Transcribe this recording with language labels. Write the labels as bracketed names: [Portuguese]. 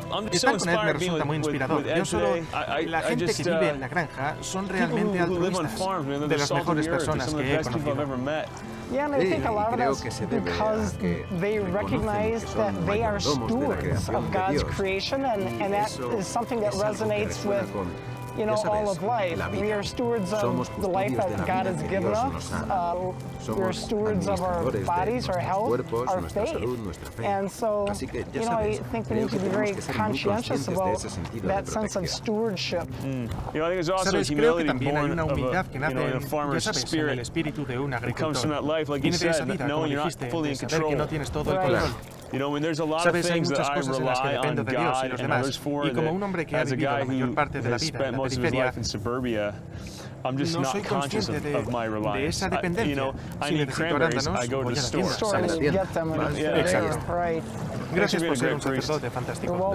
[Spanish] Estar con Ed me resulta muy inspirador. Yo solo... La gente que vive en la granja son realmente altruistas, de las mejores personas que he conocido. Sí, creo que se debe a que reconocen que son mayordomos de la creación de Dios. Y eso es algo que resuena con... [English] You know, all of life. We are stewards of the life that God has given us. We are stewards of our bodies, our health, our faith. And so, you know, I think we need to be very conscientious about that sense of stewardship. You know, I think it's also humility born of a, you know, a farmer's spirit. It comes from that life, like you said, knowing you're not fully in control. You know, when there's a lot [Spanish] sabes, hay muchas cosas en las que dependo de Dios y los demás. Y como un hombre que ha vivido la mayor parte de la vida en la periferia, no soy consciente de esa dependencia. Si necesito arándanos, voy a la tienda. ¿Sabes bien? Exacto. Gracias por ser un sacerdote fantástico.